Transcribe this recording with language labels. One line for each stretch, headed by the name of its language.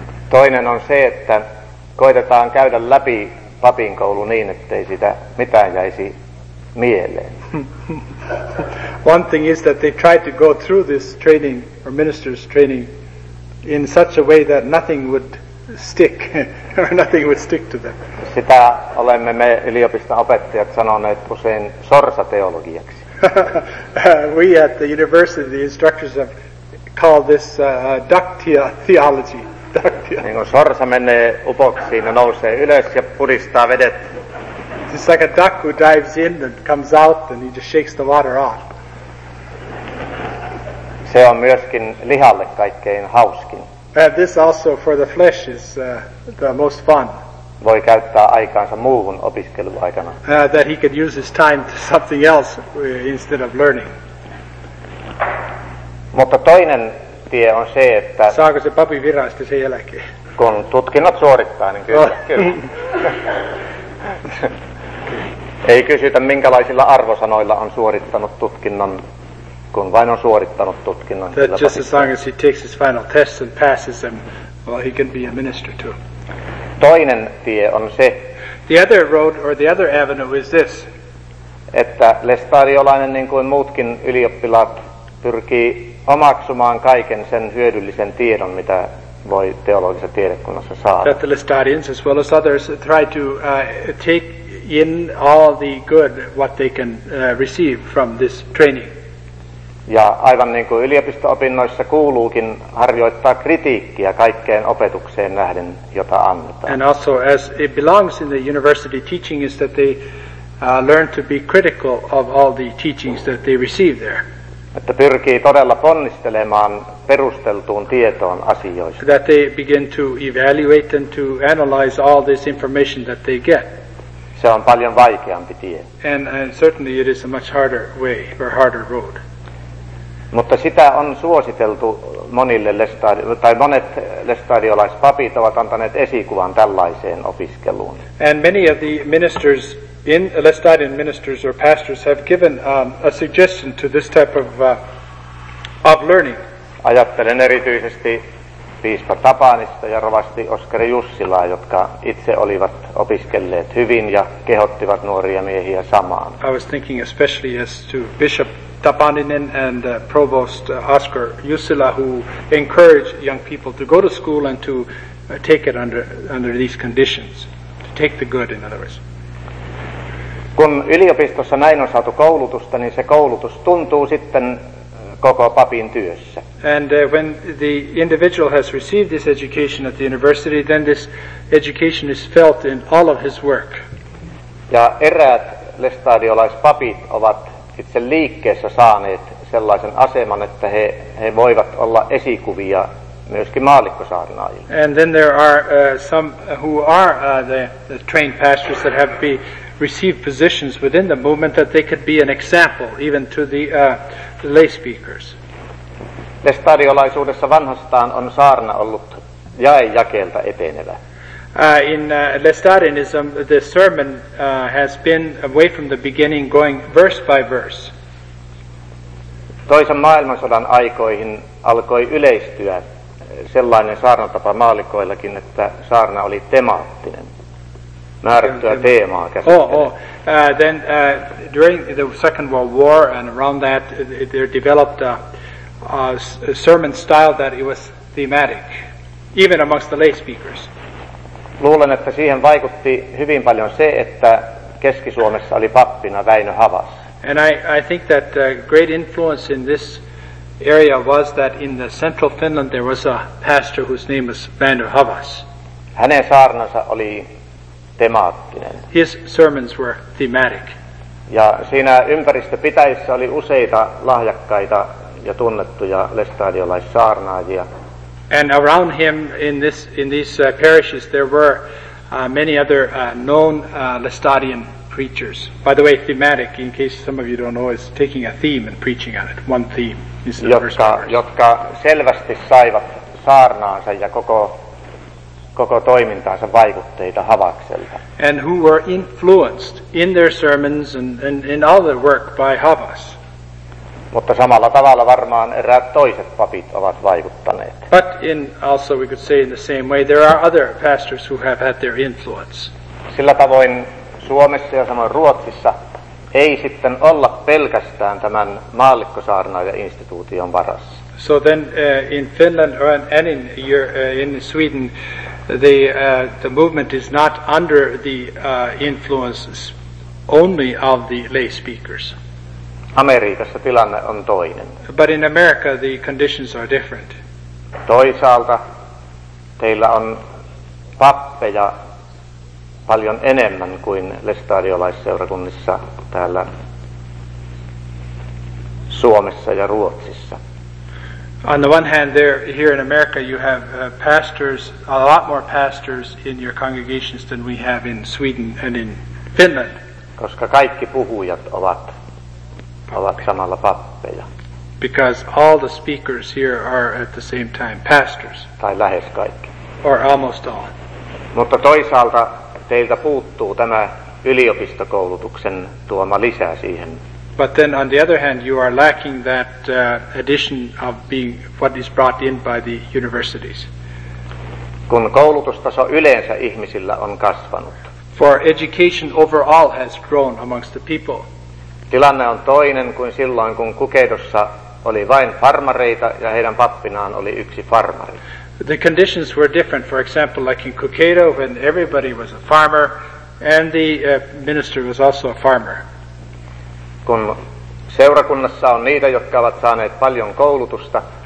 Finnish: Toinen on se, että koitetaan käydä läpi papin koulu niin, ettei sitä mitään jäisi mieleen.
English: One thing is that they try to go through this training or minister's training in such a way that nothing would stick or nothing would stick to them.
Finnish: Sitä olemme me yliopiston opettajat sanoneet usein sorsateologiaksi.
English: We at the university, the instructors have called this ductia theology.
Finnish: Niin kuin sorsa menee upoksiin ja nousee ylös ja puristaa vedet.
English: It's like a duck who dives in and comes out and he just shakes the water off.
Finnish: Se on myöskin lihalle kaikkein hauskin.
English: And this also for the flesh is the most fun.
Finnish: Voi käyttää aikaansa muuhun opiskeluaikana.
English: That he can use his time to something else instead of learning.
Finnish: Mutta toinen tie on se, että saako se papin viran sitten sen jälkeen? Kun tutkinnot suorittaa, niin kyllä. Ei kysytä, minkälaisilla arvosanoilla on suorittanut tutkinnon, kun vain on suorittanut tutkinnon.
English: That just as long as he takes his final tests and passes them, well, he can be a minister too.
Finnish: Toinen tie on se,
English: the other road or the other avenue is this,
Finnish: että lestariolainen, niin kuin muutkin ylioppilaat, pyrkii omaksumaan kaiken sen hyödyllisen tiedon, mitä voi teologisessa tiedekunnassa saada.
English: That the lestarians as well as others try to take in all the good what they can receive from this training.
Finnish: Ja aivan niin kuin yliopisto-opinnoissa kuuluukin harjoittaa kritiikkiä kaikkeen opetukseen nähden, jota annetaan.
English: And also as it belongs in the university teaching is that they learn to be critical of all the teachings that they receive there.
Finnish: Että pyrkii todella ponnistelemaan perusteltuun tietoon asioista.
English: That they begin to evaluate and to analyze all this information that they get.
Finnish: Se on paljon vaikeampi tie.
English: And certainly it is a much harder way or harder road.
Finnish: Mutta sitä on suositeltu monille tai monet lestadiolaispapit ovat antaneet esikuvan tällaiseen opiskeluun.
English: And many of the ministers in Lestadian ministers or pastors have given a suggestion to this type of learning.
Finnish: Ajattelen erityisesti piispa Tapanista ja rovasti Oskari Jussilaa, jotka itse olivat opiskelleet hyvin ja kehottivat nuoria miehiä samaan.
English: I was thinking especially as to Bishop Tapaninen and Provost Oskar Jussila, who encouraged young people to go to school and to take it under these conditions, to take the good in other words.
Finnish: Kun yliopistossa näin on saatu koulutusta, niin se koulutus tuntuu sitten koko papin työssä.
English: And when the individual has received this education at the university, then this education is felt in all of his work.
Finnish: Ja eräät lestadiolaispapit ovat itse liikkeessä saaneet sellaisen aseman, että he voivat olla esikuvia myöskin maallikkosaarnaajille.
English: And then there are some who are the trained pastors that have been received positions within the movement that they could be an example even to the lay speakers.
Finnish: Lestadiolaisuudessa vanhastaan on saarna ollut jaejakeelta etenevä.
English: In Lestadianism, the sermon has been away from the beginning, going verse by verse.
Finnish: Toisen maailmansodan aikoihin alkoi yleistyä sellainen saarnatapa maallikoillakin, että saarna oli temaattinen, määrättyä teemaa käsittelemään.
English: During the Second World War and around that, there developed a sermon style that it was thematic. even amongst the lay speakers.
Finnish: Luulen, että siihen vaikutti hyvin paljon se, että Keski-Suomessa oli pappina Väinö Havas.
English: And I think that a great influence in this area was that in the central Finland there was a pastor whose name was Väinö Havas.
Finnish: Hänen saarnansa oli temaattinen.
English: His sermons were thematic.
Finnish: Ja siinä ympäristöpitäjissä oli useita lahjakkaita ja tunnettuja lestadiolaissaarnaajia.
English: And around him in these parishes there were many other known Lestadian preachers. By the way, thematic, in case some of you don't know, is taking a theme and preaching on it. One theme is the first verse.
Finnish: Jotka selvästi saivat saarnaansa ja koko toimintaansa vaikutteita Havakselta.
English: And who were influenced in their sermons and in all their work by Havas.
Finnish: Mutta samalla tavalla varmaan eräät toiset papit ovat vaikuttaneet.
English: But in also we could say in the same way there are other pastors who have had their influence.
Finnish: Sillä tavoin Suomessa ja samoin Ruotsissa ei sitten olla pelkästään tämän maallikkosaarnaaja-instituution varassa.
English: So then in Finland and in Sweden the movement is not under the influences only of the lay speakers.
Finnish: Amerikassa tilanne on toinen.
English: But in America the conditions are different.
Finnish: Toisaalta teillä on pappeja paljon enemmän kuin lestadiolaisseurakunnissa täällä Suomessa ja Ruotsissa.
English: On the one hand, there here in America you have pastors, a lot more pastors in your congregations than we have in Sweden and in Finland.
Finnish: Koska kaikki puhujat ovat samalla pappeja.
English: Because all the speakers here are at the same time pastors.
Finnish: Tai lähes kaikki.
English: Or almost all.
Finnish: Mutta toisaalta teiltä puuttuu tämä yliopistokoulutuksen tuoma lisää siihen.
English: But then on the other hand you are lacking that addition of being what is brought in by the universities.
Finnish: Kun koulutustaso yleensä ihmisillä on kasvanut.
English: For education overall has grown amongst the people.
Finnish: Tilanne on toinen kuin silloin kun Kukedossa oli vain farmareita ja heidän pappinaan oli yksi farmari.
English: The conditions were different, for example, like in Kukedo, when everybody was a farmer, and the minister was also a farmer.
Finnish: Kun seurakunnassa on niitä, jotka ovat saaneet paljon koulutusta,